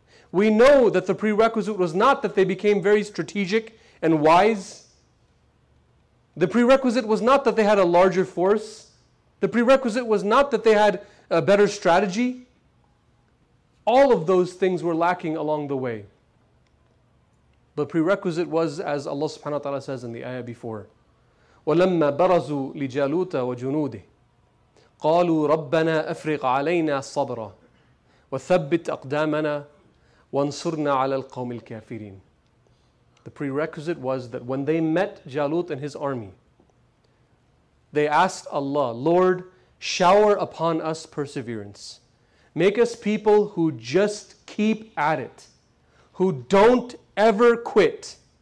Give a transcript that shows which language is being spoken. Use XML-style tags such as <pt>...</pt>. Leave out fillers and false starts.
<en>We know that the prerequisite was not that they became very strategic and wise. The prerequisite was not that they had a larger force. The prerequisite was not that they had a better strategy. All of those things were lacking along the way. The prerequisite was, as Allah subhanahu wa ta'ala says in the ayah before,</en> <ar>وَلَمَّا بَرَزُوا لِجَالُوتَ وَجُنُودِهِ قَالُوا رَبَّنَا أَفْرِقْ عَلَيْنَا صَبْرًا وَثَبِّتْ أَقْدَامَنَا وَانْصُرْنَا عَلَى الْقَوْمِ الْكَافِرِينَ.</ar> <en>The prerequisite was that when they met Jalut and his army, they asked Allah, Lord, shower upon us perseverance. Make us people who just keep at it, who don't ever quit.</en>